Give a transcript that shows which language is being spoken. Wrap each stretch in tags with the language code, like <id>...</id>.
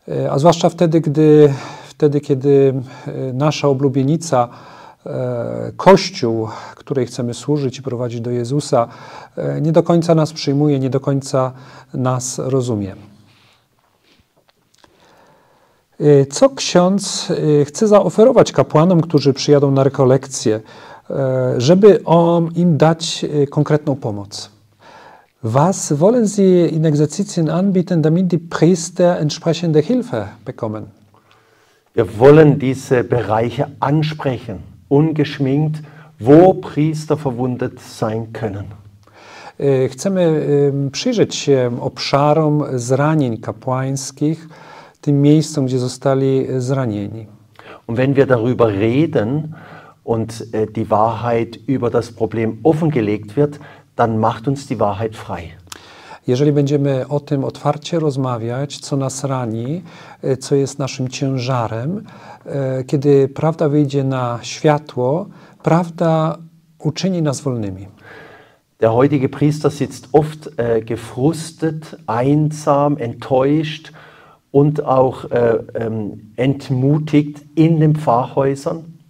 <pl>A zwłaszcza wtedy, kiedy nasza oblubienica, Kościół, której chcemy służyć i prowadzić do Jezusa, nie do końca nas przyjmuje, nie do końca nas rozumie. Co ksiądz chce zaoferować kapłanom, którzy przyjadą na rekolekcję, żeby im dać konkretną pomoc?</pl> <de>Was wollen Sie in Exerzitien anbieten, damit die Priester entsprechende Hilfe bekommen? Wir wollen diese Bereiche ansprechen, ungeschminkt, wo Priester verwundet sein können.</de> <pl>Chcemy przyjrzeć się obszarom zranień kapłańskich, tym miejscom, gdzie zostali zranieni.</pl> <de>Und wenn wir darüber reden und die Wahrheit über das Problem offengelegt wird, dann macht uns die Wahrheit frei.</de> <pl>Jeżeli będziemy o tym otwarcie rozmawiać, co nas rani, co jest naszym ciężarem, kiedy prawda wyjdzie na światło, prawda uczyni nas wolnymi.</pl> <de>Der heutige Priester sitzt oft gefrustet, einsam, enttäuscht und auch entmutigt in den Pfarrhäusern.</de>